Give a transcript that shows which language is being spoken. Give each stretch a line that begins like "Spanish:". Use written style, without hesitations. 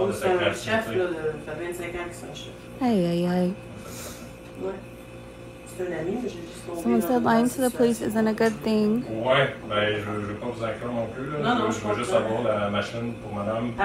French: c'est un chef, là, ça fait 25 ans qu'il est un chef. Aïe, aïe, aïe. Ouais. C'est
English: Someone said lying to the police isn't a good thing.
French: Ouais, ben je pas vous inclure non plus là. Non, non, je veux juste avoir la machine pour madame pour